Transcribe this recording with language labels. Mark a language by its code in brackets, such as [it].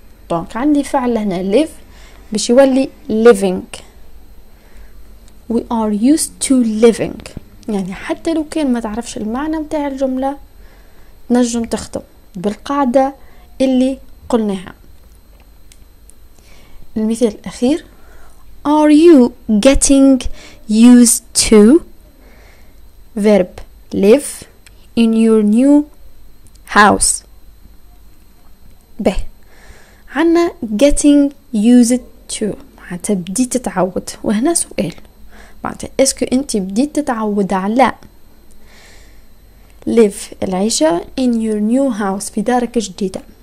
[ar] دونك عندي فعل هنا live باش يولي living. [en] We are used to living, [ar] يعني حتى لو كان ما تعرفش المعنى متاع الجملة نجم تخدم بالقاعدة اللي قلناها. المثال الأخير. [en] Are you getting used to verb live in your new house? [ar] ب عنا [en] getting used to, [ar] معناتها بديت تتعود. وهنا سؤال, معناتها اسكو انت بديت تتعود على live العيشة [en] in your new house [ar] في دارك الجديدة.